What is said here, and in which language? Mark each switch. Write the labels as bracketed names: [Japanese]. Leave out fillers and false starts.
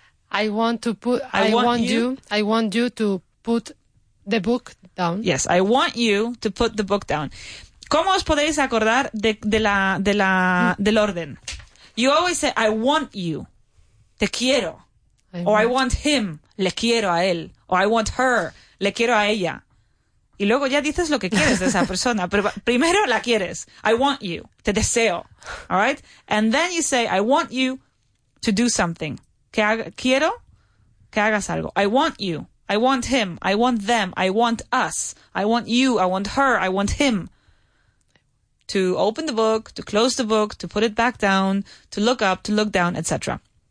[English] I want you to put the book down. Yes, I want you to put the book down. [Spanish] ¿Cómo os podéis acordar del orden? [English] You always say, I want you, [Spanish] te quiero. [English] I want him, [Spanish] le quiero a él. [English] Or I want her, [Spanish] le quiero a ella. Y luego ya dices lo que quieres de esa persona. Pero primero la quieres. [English] I want you, [Spanish] te deseo. [English] All right? And then you say, I want you to do something. [Spanish] Quiero que hagas algo. [English] I want you. I want him. I want them. I want us. I want you. I want her. I want him. To open the book, to close the book, to put it back down, to look up, to look down, etc.